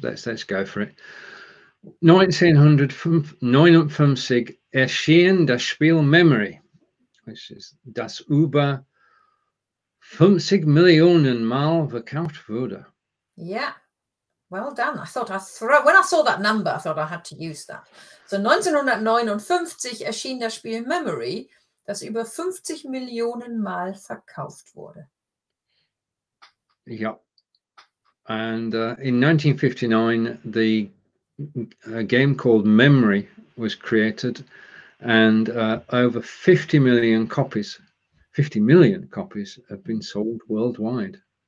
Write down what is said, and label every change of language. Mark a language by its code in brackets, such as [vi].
[en] Let's go for it. [de] 1959 erschien das Spiel Memory, [en] which is [de] das über 50 Millionen Mal verkauft wurde. [en] Yeah, well done. When I saw that number, I thought I had to use that. [de] So 1959 erschien das Spiel Memory, das über 50 Millionen Mal verkauft wurde. [en] Yeah, and in 1959, a game called Memory was created, and over 50 million copies have been sold worldwide.